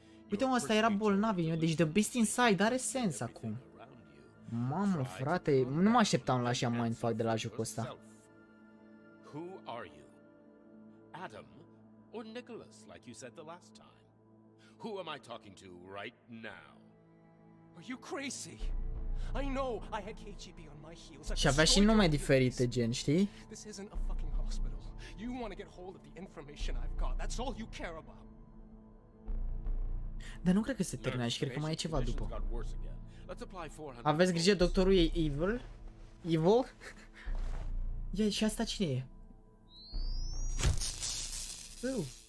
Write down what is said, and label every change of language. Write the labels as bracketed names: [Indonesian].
[Romanian] Uite, mă, ăsta era bolnav. Deci The Beast Inside are sens acum. Mamă, frate. Nu mă așteptam la așa mindfuck de la jocul ăsta. [English] Who are you? Adam or Nicholas, like you said the last time? Who am I talking to right now? Are you crazy? I know I had KGB on my heels. [Romanian] Și avea și nume diferite, gen, știi? [English] This isn't a fucking hospital. You want to get hold of the information I've got. That's all you care about. [Romanian] Dar nu cred că se termină și cred că mai e ceva după. Aveți grijă, doctorul e evil? Evil? Ia, și asta cine e? Eu.